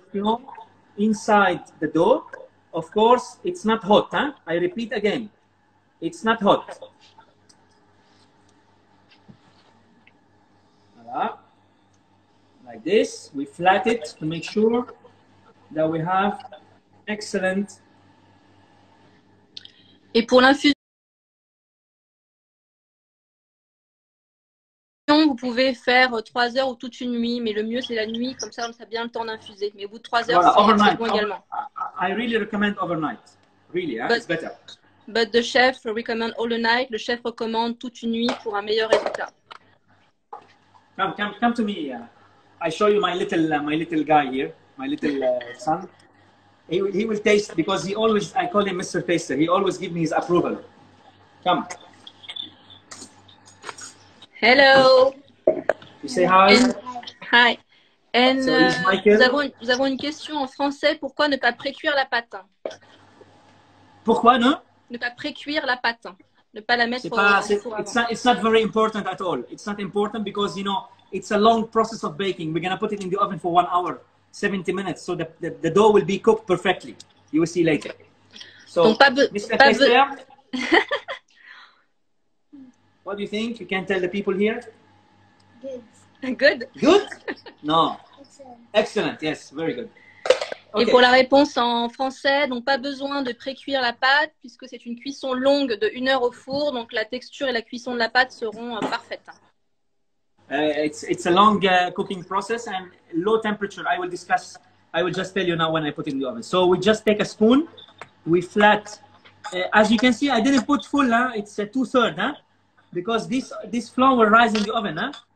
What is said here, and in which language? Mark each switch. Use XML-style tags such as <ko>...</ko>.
<en>The flan inside the dough. Of course, it's not hot. Huh? I repeat again. It's not hot.</en> <fr>Voilà.</fr> <en>Like this, we flat it to make sure that we have excellent</en> <fr>Et pour l'infusion, vous pouvez faire 3 heures ou toute une nuit, mais le mieux c'est la nuit, comme ça a bien le temps d'infuser. Mais au bout de 3 heures, voilà, c'est très bon également.</fr> <en>I really recommend overnight. Really, yeah? It's better. But the chef recommends all the night.</en> <fr>Le chef recommande toute une nuit pour un meilleur résultat.</fr> <en>Come to me. I show you my little guy here, my little son. He will taste because he always, I call him Mr. Taster. He always gives me his approval. Come. Hello. You say hi. Hi. And so</en> <fr>nous avons une question en français. Pourquoi ne pas pré-cuire la pâte? Pourquoi non? Ne pas pré-cuire la pâte, ne pas la mettre</fr> <en>It's not very important at all. It's not important because, you know, it's a long process of baking. We're going to put it in the oven for 1 hour, 70 minutes. So the dough will be cooked perfectly. You will see later. So, what do you think? You can tell the people here? Good. Good? No. Excellent. Yes, very good. Okay.</en> <fr>Et pour la réponse en français, donc pas besoin de pré-cuire la pâte puisque c'est une cuisson longue de 1 heure au four, donc la texture et la cuisson de la pâte seront parfaites.</fr> <en>It's a long cooking process and low temperature. I will just tell you now when I put it in the oven. So we just take a spoon, we flat. As you can see, I didn't put full, huh? It's a 2/3, huh? Because this flour will rise in the oven, huh?</en>